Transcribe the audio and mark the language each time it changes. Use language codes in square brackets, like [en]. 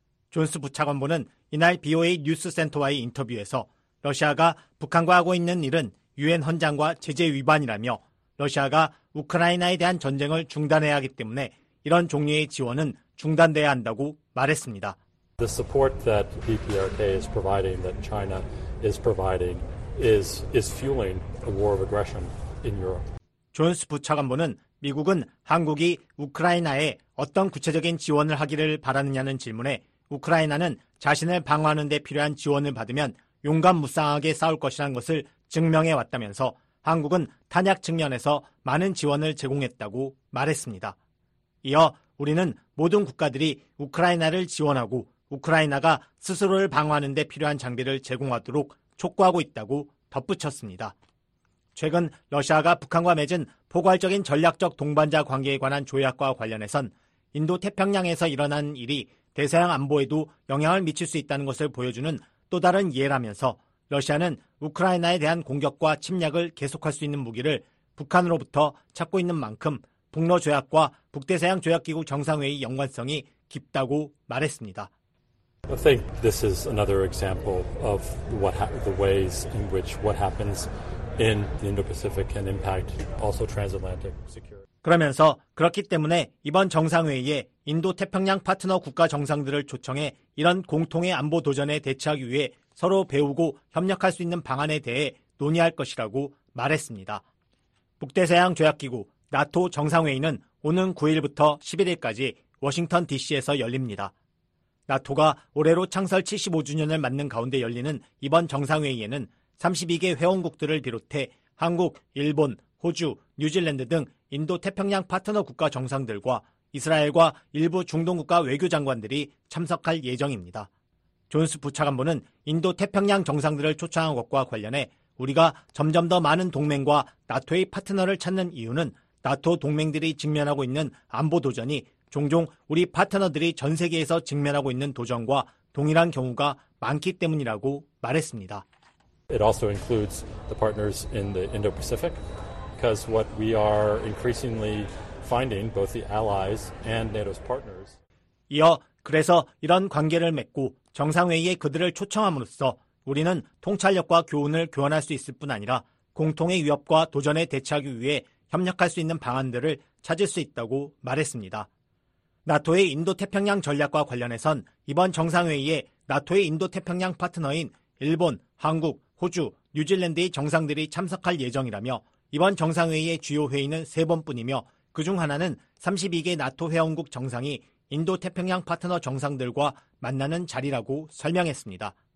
[ko] 존스 부차관보는 이날 BOA 뉴스센터와의 인터뷰에서 러시아가 북한과 하고 있는 일은 유엔 헌장과 제재 위반이라며 러시아가 우크라이나에 대한 전쟁을 중단해야 하기 때문에 이런 종류의 지원은 중단돼야 한다고 말했습니다. [en] The support that BPRK is providing, that China is providing, is fueling a war of aggression in Europe. [ko] 존스 부차관보는 미국은 한국이 우크라이나에 어떤 구체적인 지원을 하기를 바라느냐는 질문에 우크라이나는 자신을 방어하는 데 필요한 지원을 받으면 용감무쌍하게 싸울 것이라는 것을 증명해 왔다면서 한국은 탄약 측면에서 많은 지원을 제공했다고 말했습니다. 이어 우리는 모든 국가들이 우크라이나를 지원하고 우크라이나가 스스로를 방어하는 데 필요한 장비를 제공하도록 촉구하고 있다고 덧붙였습니다. 최근 러시아가 북한과 맺은 포괄적인 전략적 동반자 관계에 관한 조약과 관련해선 인도 태평양에서 일어난 일이 대서양 안보에도 영향을 미칠 수 있다는 것을 보여주는 또 다른 예라면서 러시아는 우크라이나에 대한 공격과 침략을 계속할 수 있는 무기를 북한으로부터 찾고 있는 만큼 북러 조약과 북대서양 조약기구 정상회의 연관성이 깊다고 말했습니다. [en] I think this is another example of what the ways in which what happens in the Indo-Pacific can impact also transatlantic security. [ko] 그러면서 그렇기 때문에 이번 정상회의에 인도태평양 파트너 국가 정상들을 초청해 이런 공통의 안보 도전에 대처하기 위해 서로 배우고 협력할 수 있는 방안에 대해 논의할 것이라고 말했습니다. 북대서양 조약기구 나토 정상회의는 오는 9일부터 11일까지 워싱턴 DC에서 열립니다. 나토가 올해로 창설 75주년을 맞는 가운데 열리는 이번 정상회의에는 32개 회원국들을 비롯해 한국, 일본, 호주, 뉴질랜드 등 인도 태평양 파트너 국가 정상들과 이스라엘과 일부 중동 국가 외교 장관들이 참석할 예정입니다. 존스 부차관보는 인도 태평양 정상들을 초청한 것과 관련해 우리가 점점 더 많은 동맹과 나토의 파트너를 찾는 이유는 나토 동맹들이 직면하고 있는 안보 도전이 종종 우리 파트너들이 전 세계에서 직면하고 있는 도전과 동일한 경우가 많기 때문이라고 말했습니다. [en] It also includes the partners in the Indo-Pacific. Because what we are increasingly finding, both the allies and NATO's partners. [ko] 이어 그래서 이런 관계를 맺고 정상회의에 그들을 초청함으로써 우리는 통찰력과 교훈을 교환할 수 있을 뿐 아니라 공통의 위협과 도전에 대처하기 위해 협력할 수 있는 방안들을 찾을 수 있다고 말했습니다. 나토의 인도태평양 전략과 관련해선 이번 정상회의에 나토의 인도태평양 파트너인 일본, 한국, 호주, 뉴질랜드의 정상들이 참석할 예정이라며 이번 정상회의의 주요 회의는 세 번뿐이며 그중 하나는 32개 나토 회원국 정상이 인도태평양 파트너 정상들과 만나는 자리라고 설명했습니다.